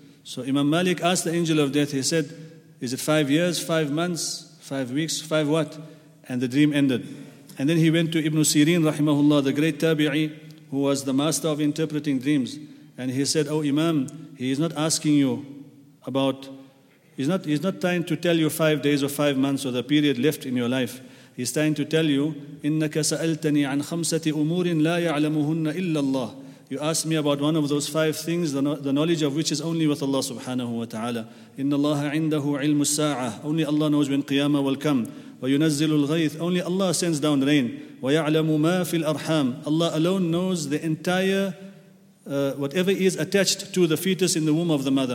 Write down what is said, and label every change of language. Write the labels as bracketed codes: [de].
[en] So Imam Malik asked the angel of death. He said, "Is it 5 years, 5 months, 5 weeks, 5 what?" And the dream ended. And then he went to Ibn Sirin rahimahullah, the great tabi'i, who was the master of interpreting dreams. And he said, "Oh Imam, he is not asking you about, he's not trying to tell you 5 days or 5 months or the period left in your life. He's trying to tell you, [ar] إِنَّكَ سَأَلْتَنِي عَنْ خَمْسَةِ أُمُورٍ لَا يَعْلَمُهُنَّ إِلَّا اللَّهِ. [en] You asked me about one of those five things, the knowledge of which is only with Allah subhanahu wa ta'ala. [ar] إِنَّ اللَّهَ عِنْدَهُ عِلْمُ السَّاعَةِ. [en] Only Allah knows when Qiyamah will come. [ar] وَيُنَزِّلُ الْغَيْثِ. [en] Only Allah sends down rain. [ar] وَيَعْلَمُ مَا فِي الْأَرْحَامِ. [en] Allah alone knows the entire, whatever is attached to the fetus in the womb of the mother.